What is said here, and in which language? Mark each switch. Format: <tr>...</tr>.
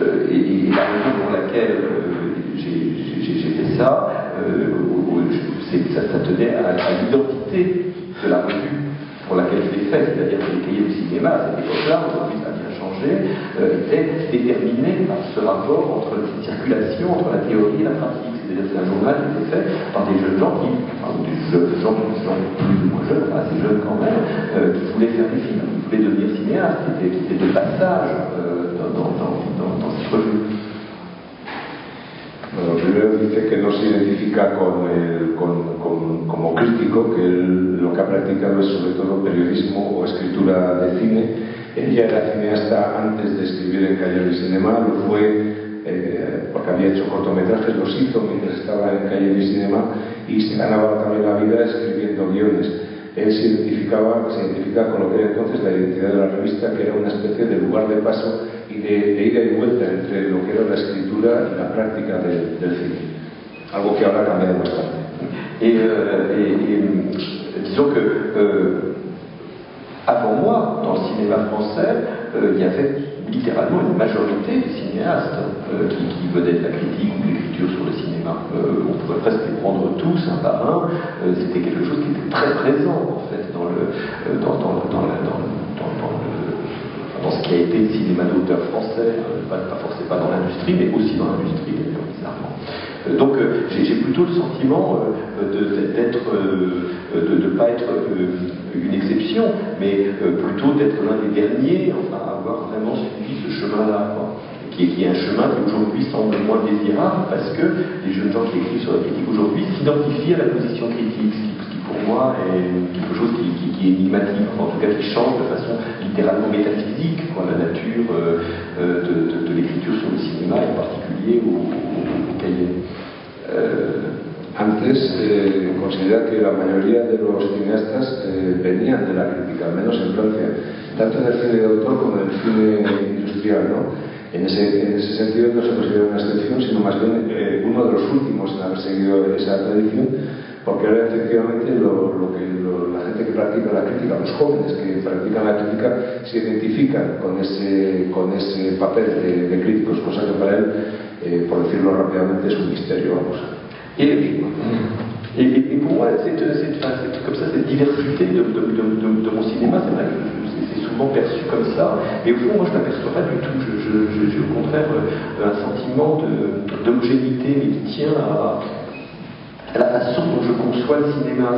<fr>Et la raison pour laquelle j'ai fait ça, ça tenait à l'identité de la revue pour laquelle je l'ai fait, c'est-à-dire que les cahiers du cinéma, à cette époque-là, aujourd'hui ça a bien changé, étaient déterminés par ce rapport entre cette circulation, entre la théorie et la pratique. C'est-à-dire que c'est un journal qui était fait par des jeunes gens, des gens plus ou moins jeunes, assez jeunes quand même, qui voulaient faire des films, qui voulaient devenir cinéastes, qui étaient de passage dans cette revue.</fr> <es>Bueno, primero dice que no se identifica con como crítico, que él, lo que ha practicado es sobre todo periodismo o escritura de cine. Él ya era cineasta antes de escribir en Calle del Cinema, lo fue porque había hecho cortometrajes, los hizo mientras estaba en Calle del Cinema y se ganaba también la vida escribiendo guiones. Él se identifica con lo que era entonces la identidad de la revista, que era una especie de lugar de paso y de ida y vuelta entre lo que era la escritura y la práctica del cine. Algo que ahora cambia bastante.</es> <fr>Disons que, avant moi, dans le cinéma français, il y avait littéralement une majorité de cinéastes qui venaient de la critique ou de l'écriture sur le cinéma. On pouvait presque les prendre tous un par un. C'était quelque chose qui était très présent en fait dans ce qui a été le cinéma d'auteur français, pas forcément dans l'industrie, mais aussi dans l'industrie d'ailleurs, bizarrement. Donc j'ai plutôt le sentiment de ne pas être une exception, mais plutôt d'être l'un des derniers, enfin, à avoir vraiment suivi ce chemin-là, quoi. Qui est un chemin qui aujourd'hui semble moins désirable, parce que les jeunes gens qui écrivent sur la critique aujourd'hui s'identifient à la position critique, ce qui pour moi est quelque chose qui qui est énigmatique, en tout cas qui change de façon littéralement métaphysique quoi, la nature de l'écriture sur le cinéma, en particulier au cahier.</fr> <es>Antes considera que la mayoría de los cineastas venían de la crítica, al menos en Francia, tanto del cine de autor como del cine industrial, ¿no? En ese sentido no se considera una excepción, sino más bien uno de los últimos en haber seguido esa tradición, porque ahora efectivamente la gente que practica la crítica, los jóvenes que practican la crítica, se identifican con ese papel de críticos, cosa que para él, por decirlo rápidamente, es un misterio, vamos.</es> <fr>Et pour moi, c'est comme ça, cette diversité de mon cinéma, c'est souvent perçu comme ça, mais au fond, moi, je ne l'aperçois pas du tout. J'ai au contraire un sentiment d'homogénéité, mais qui tient à la façon dont je conçois le cinéma.</fr>